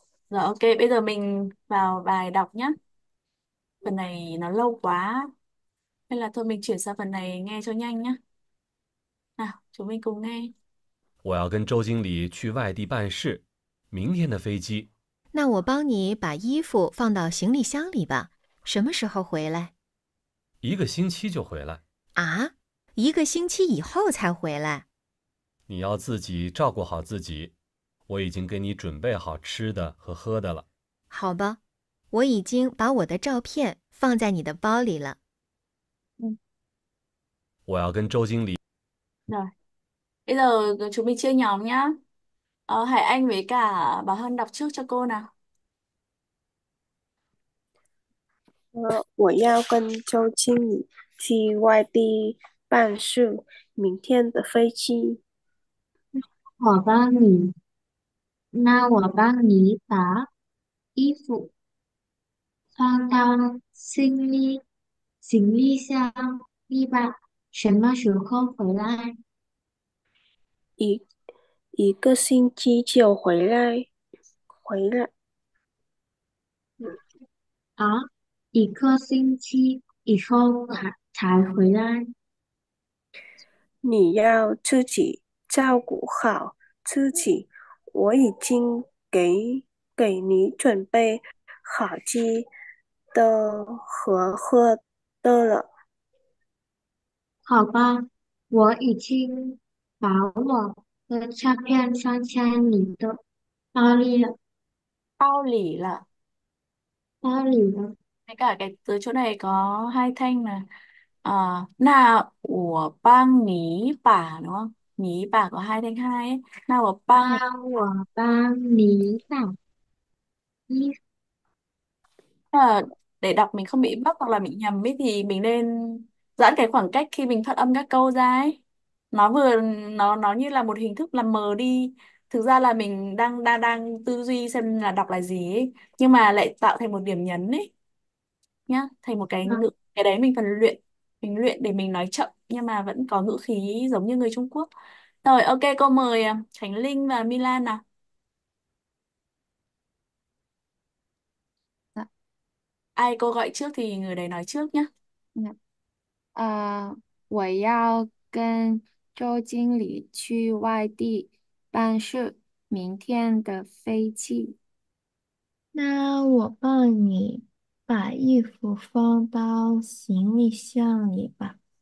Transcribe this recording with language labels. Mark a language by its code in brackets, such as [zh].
[vi] Rồi ok, bây giờ mình vào bài đọc nhé. Phần này nó lâu quá. Hay là thôi mình chuyển sang phần này nghe cho nhanh nhé. 啊，chúng mình cùng nghe。 [zh] 我要跟周经理去外地办事，明天的飞机。那我帮你把衣服放到行李箱里吧，什么时候回来？ 1个星期就回来。啊，一个星期以后才回来。你要自己照顾好自己，我已经给你准备好吃的和喝的了。好吧，我已经把我的照片放在你的包里了。我要跟周经理。 [vi] Rồi. Bây giờ chúng mình chia nhóm nhá. Hải Anh với cả Bảo Hân đọc trước cho cô nào. [zh] 我要跟周经理去外地办事，明天的飞机。那我帮你把衣服放到行李箱里吧。什么时候回来？ 1个星期就回来。啊，一个星期以后才回来。你要自己照顾好自己，我已经给你准备好吃的和喝的了。好吧，我已经把我的照片放进你的包里了。包里了，包里了。 [vi] cả cái từ chỗ này có hai thanh nè. Na của bang ní bà đúng không? Ní bà có hai thanh hai ấy. Na của bang để đọc mình không bị bắc hoặc là bị nhầm ấy thì mình nên giãn cái khoảng cách khi mình phát âm các câu ra ấy. Nó như là một hình thức làm mờ đi. Thực ra là mình đang đang đang tư duy xem là đọc là gì ấy, nhưng mà lại tạo thành một điểm nhấn ấy nhá, thành một cái ngữ, cái đấy mình cần luyện, mình luyện để mình nói chậm nhưng mà vẫn có ngữ khí giống như người Trung Quốc. Rồi ok, cô mời Khánh Linh và Milan nào. Ai cô gọi trước thì người đấy nói trước nhá. [zh] 我要跟周经理去外地办事，明天的飞机。那我帮你把衣服放到行李箱里吧。